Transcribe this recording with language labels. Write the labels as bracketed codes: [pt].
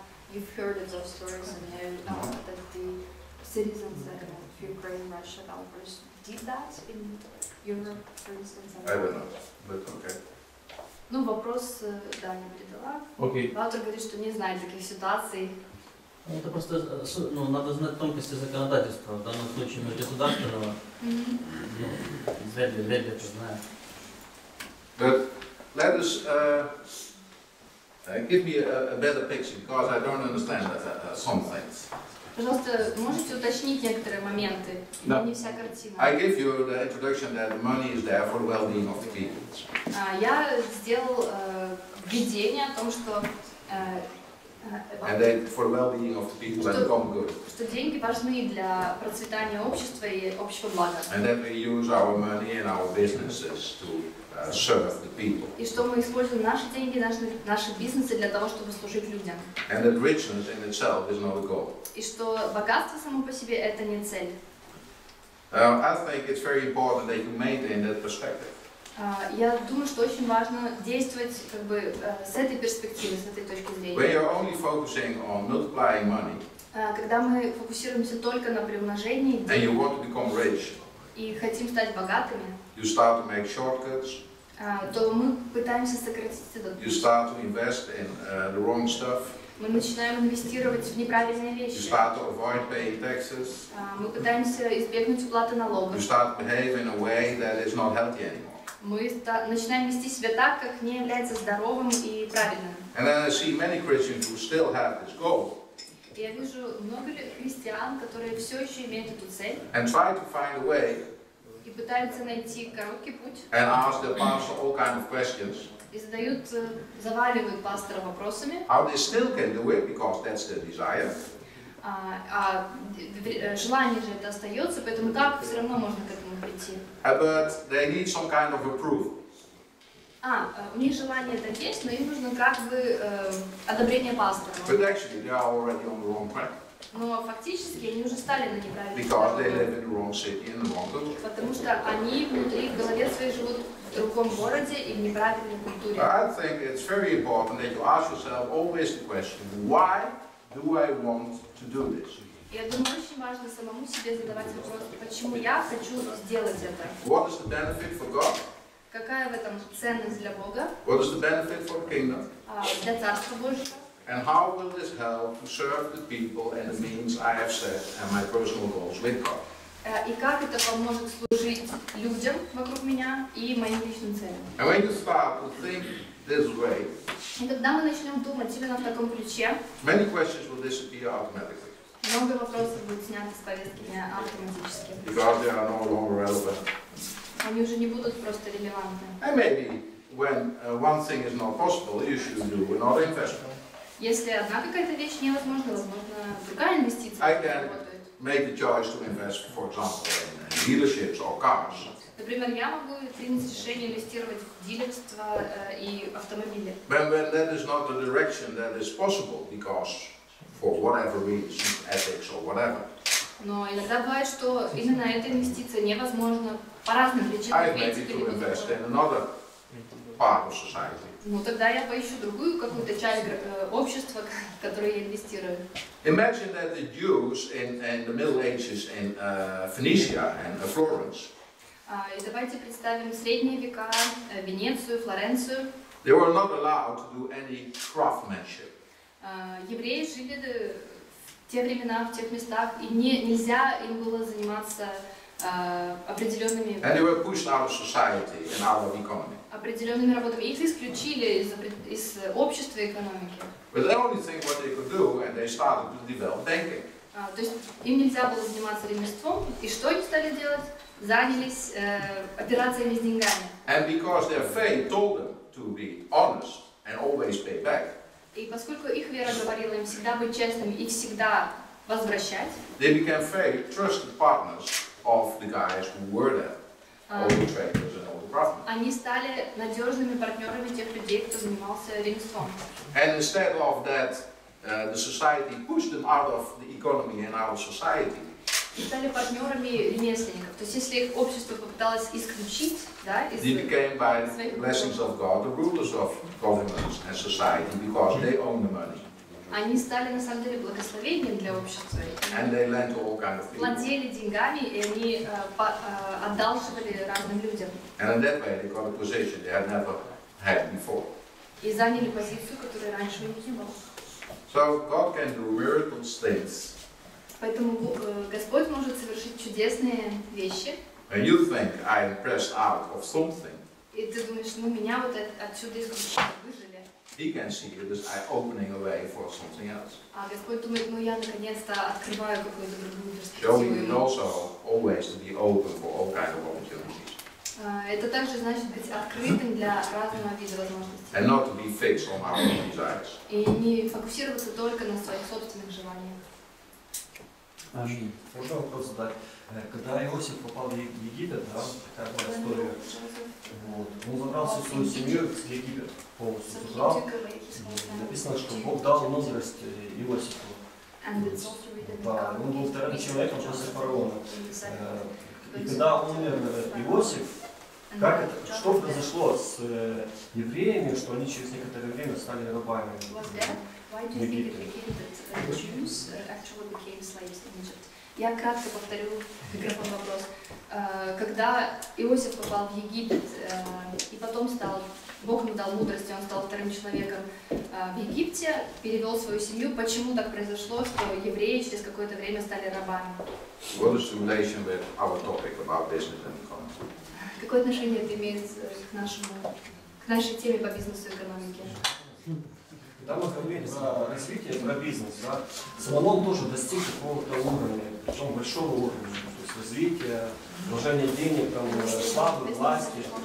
[en] You've heard of those stories and know that the citizens of Ukraine, Russia, Belarus did that in Europe, for instance. I don't know, but okay. [ru] Ну, вопрос, да, не передала. Окей. Автор говорит, что не знает таких ситуаций. Это просто, ну, надо знать тонкости законодательства. В данном случае, между государственного, вряд ли это знает. [en] But let us... give me a better picture, because I don't understand some things. [ru] Пожалуйста, можете уточнить некоторые моменты? [en] No. [ru] Не вся картина. [en] I give you the introduction that money is there for well-being of the people. [ru] Я сделал введение о том, что... [en] And that for well-being of the people and common good. [ru] Что деньги важны для процветания общества и общего блага. [en] And that we use our money and our businesses to... serve the people. [ru] И что мы используем наши деньги, наши бизнесы для того, чтобы служить людям. [en] And that richness in itself is not a goal. [ru] И что богатство само по себе это не цель. [en] I think it's very important that you maintain that perspective. [ru] Я думаю, что очень важно действовать как бы с этой перспективы, с этой точки зрения. [en] When you're only focusing on multiplying money. [ru] Когда мы фокусируемся только на приумножении. [en] And you want to become rich. [ru] И хотим стать богатыми. [en] You start to make shortcuts. [ru] То мы пытаемся сократить этот. [en] You start to invest in the wrong stuff. [ru] Мы начинаем инвестировать в неправильные вещи. [en] You start to avoid paying taxes. [ru] Мы пытаемся избегнуть уплаты налогов. [en] You start to behave in a way that is not healthy anymore. [ru] Мы начинаем вести себя так, как не является здоровым и правильным. [en] And then I see many Christians who still have this goal. [ru] Я вижу много христиан, которые все еще имеют эту цель. [en] And try to find a way. [ru] И пытаются найти короткий путь. [en] And ask the pastor all kind of questions. [ru] И задают, заваливают пастора вопросами. [en] How they still can do it, because that's the desire. [ru] Желание же это остается, поэтому как все равно можно к этому прийти? [en] But they need some kind of approval. [ru] У них желание это есть, но им нужно как бы одобрение пастора. [en] But actually, they are already on the wrong track. [ru] Но фактически они уже стали на неправильном. [en] Because they live in the wrong city in the wrong culture. [ru] Потому что они внутри в голове своей живут в другом городе и в неправильной культуре. [en] I think it's very important that you ask yourself always the question, why do I want to do this? [ru] Я думаю, очень важно самому себе задавать вопрос, почему я хочу сделать это. [en] What is the benefit for God? [ru] Какая в этом ценность для Бога? [en] What is the benefit for the kingdom? [ru] Для Царства Божьего. [en] And how will this help to serve the people and the means I have set and my personal goals with God? [ru] И как это поможет служить людям вокруг меня и моим личным целям? [en] And when you start to think this way, [ru] и когда мы начнем думать именно в таком ключе, [en] many questions will disappear automatically. [ru] Много вопросов будет сняться с повестки дня автоматически. [en] Because they are no longer relevant. [ru] Они уже не будут просто релевантны. [en] And maybe when one thing is not possible, you should do another investment. [ru] Если одна какая-то вещь невозможна, возможно, другая инвестиция. [en] I can make the choice to invest, for example, in dealerships or cars. [ru] Например, я могу принять решение инвестировать в дилерство и автомобили. [en] But when that is not the direction that is possible, because for whatever reason, ethics or whatever. [ru] Но иногда бывает, что именно эта инвестиция невозможна по разным причинам. [en] I may need to invest in another part of society. [ru] Ну тогда я поищу другую какую-то часть общества, в которую я инвестирую. [en] Imagine that the Jews in the Middle Ages in Phoenicia and Florence. [ru] И давайте представим средние века, Венецию, Флоренцию. [en] They were not allowed to do any craftsmanship. [ru] Евреи жили в те времена, в тех местах, и нельзя им было заниматься определенными. [en] And they were pushed out of society and out of economy. [ru] Определенными работами их исключили из общества и экономики. [en] But the only thing what they could do, and they started to develop banking. [ru] То есть им нельзя было заниматься ремеслом, и что они стали делать? Занялись операциями с деньгами. [en] And because their faith told them to be honest and always pay back. [ru] И поскольку их вера говорила им всегда быть честными и всегда возвращать. [en] They became faith trusted partners of the guys who were there. [ru] Они стали надежными партнерами тех людей, кто занимался ремеслом. [en] And instead of that, the society pushed them out of the economy and out of society. [ru] И стали партнерами ремесленников. То есть если их общество попыталось исключить, да, из. [en] They became by blessings of God the rulers of governments and society because they own the money. [ru] Они стали на самом деле благословением для общества. [en] And they lent all kind of people. [ru] Владели деньгами и они одалживали разным людям. [en] And in that way they got a position they had never had before. [ru] И заняли позицию, которую раньше не было. [en] So God can do miracles things. [ru] Поэтому Господь может совершить чудесные вещи. [en] And you think I'm pressed out of something? [ru] И ты думаешь, ну меня вот отсюда исключили. [en] He can see it as opening a way for something else. [ru] А Господь думает, ну я наконец-то открываю какую-то другую перспективу. [en] Showing also always to be open for all kinds of opportunities. [ru] Это также значит быть открытым для разного вида возможностей. [en] And not to be fixed on our own desires. [ru] И не фокусироваться только на своих собственных желаниях. Аминь. Можно вопрос задать? Когда Иосиф попал в Египет, да, такая была история, вот, он забрался в свою семью в Египет полностью туда. Написано, что Бог дал мудрость Иосифу. Да, он был вторым человеком после фараона. И когда умер Иосиф, как это, что произошло с евреями, что они через некоторое время стали рабами? [en] Why do you think it became that Jews actually became slaves in Egypt? [ru] Я кратко повторю микрофон вопрос. Когда Иосиф попал в Египет и потом стал, Бог ему дал мудрость, и он стал вторым человеком в Египте, перевел свою семью, почему так произошло, что евреи через какое-то время стали рабами? [en] What is the relation with our topic about business and economy? [ru] Какое отношение это имеет к нашему, к нашей теме по бизнесу и экономике? Там мы говорили про развитие, про бизнес, да. Соломон тоже достиг какого-то уровня, причем большого уровня. То есть развитие, вложение денег, там, славы, власти.